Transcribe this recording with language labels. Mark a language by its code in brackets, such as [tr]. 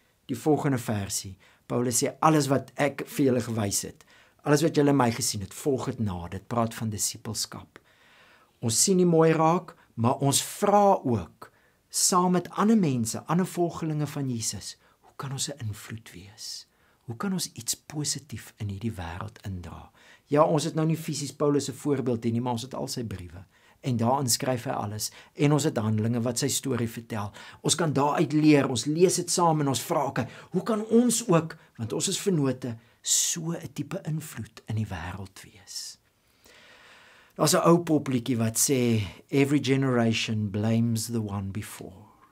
[af] Die volgende versie, Paulus sê, alles wat ek vir julle gewys het, alles wat julle my gesien het, volg het na, dit praat van disipelskap. Ons sien nie mooi raak, maar ons vra ook, saam met ander mense, ander volgelinge van Jesus, hoe kan ons 'n invloed wees? Hoe kan ons iets positief in hierdie wêreld indra? Ja, ons het nou nie fisies Paulus se voorbeeld hier nie, maar ons het al sy briewe. En daarin skryf hy alles. En ons het Handelinge wat sy storie vertel. Ons kan daaruit leer, ons lees het saam en ons vra, okay, hoe kan ons ook, want ons is vennote, so 'n tipe invloed in die wêreld wees. Daar's 'n ou popliedjie wat sê, [en] every generation blames the one before.